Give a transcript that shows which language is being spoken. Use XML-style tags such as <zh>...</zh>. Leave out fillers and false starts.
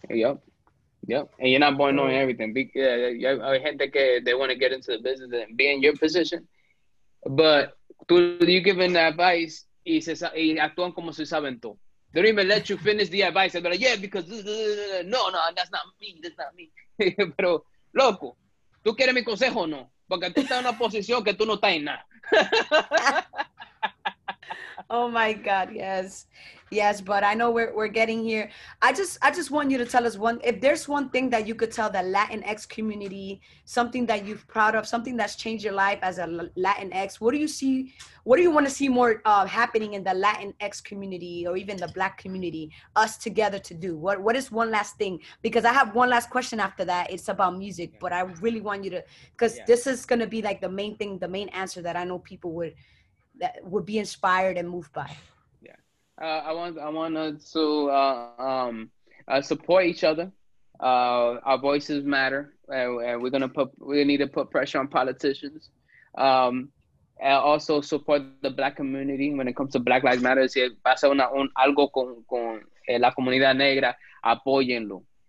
<en>Yep. And you're not born knowing everything.</en> <es>Gente que</es> <en>they want to get into the business and be in your position. But you giving the advice,</en> <es>y actúan como si saben todo.</es> <en>They don't even let you finish the advice. They're like, yeah, because no, that's not me.</en> <es>Pero, loco, ¿tú quieres mi consejo o no? Porque tú estás en una posición que tú no estás en nada.</es> <en>Oh my God, yes. Yes, but I know we're getting here. I just want you to tell us one, if there's one thing that you could tell the Latinx community, something that you're proud of, something that's changed your life as a Latinx, what do you want to see more happening in the Latinx community or even the black community, us together to do? What is one last thing? Because I have one last question after that. It's about music, but I really want you to, because this is going to be like the main thing, the main answer that I know people would be inspired and moved by. Yeah. I want to support each other. Our voices matter. We need to put pressure on politicians. And also support the black community when it comes to Black Lives Matter.</en> <es>Si pasa algo con la comunidad negra, apóyenlo.</es>